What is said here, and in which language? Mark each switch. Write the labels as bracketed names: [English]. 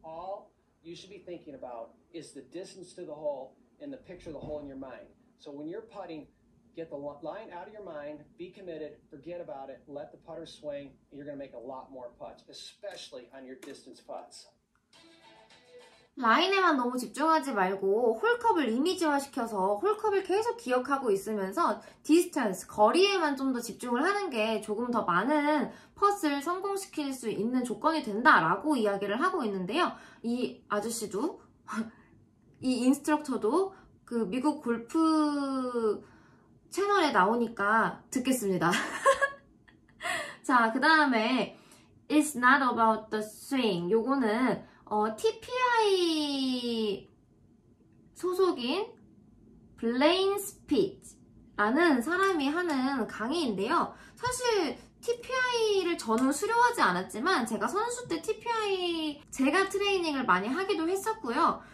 [English] All you should be thinking about is the distance to the hole and the picture of the hole in your mind. So when you're putting, get the line out of your mind, be committed, forget about it, let the putter swing, and you're going to make a lot more putts, especially on your distance putts. [Korean] 라인에만 너무 집중하지 말고 홀컵을 이미지화시켜서 홀컵을 계속 기억하고 있으면서 디스턴스, 거리에만 좀 더 집중을 하는 게 조금 더 많은 퍼스를 성공시킬 수 있는 조건이 된다라고 이야기를 하고 있는데요. 이 아저씨도, 이 인스트럭터도 그 미국 골프 채널에 나오니까 듣겠습니다. 자, 그 다음에 [English] It's not about the swing. [Korean] 요거는 TPI 소속인 Blaine Speed라는 사람이 하는 강의인데요. 사실 TPI를 저는 수료하지 않았지만 제가 선수 때 TPI 제가 트레이닝을 많이 하기도 했었고요.